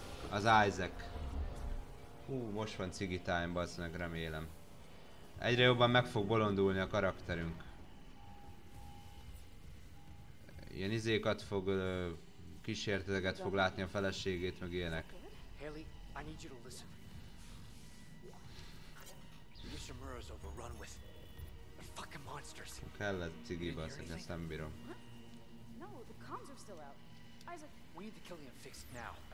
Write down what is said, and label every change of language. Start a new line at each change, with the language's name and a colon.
Hungarian: Az Isaac. Hú, most van cigi time, bazd meg, remélem. Egyre jobban meg fog bolondulni a karakterünk. Ilyen izékat fog... kísérteteket fog látni a feleségét, meg ilyenek.
English: Haley, I need you to listen. Yoshimura's overrun with the fucking monsters.
Hungarian: Kellett cigi, bazd meg, ezt nem bírom.
English: No, the comms are still out. Isaac, we need to kill him fixed now.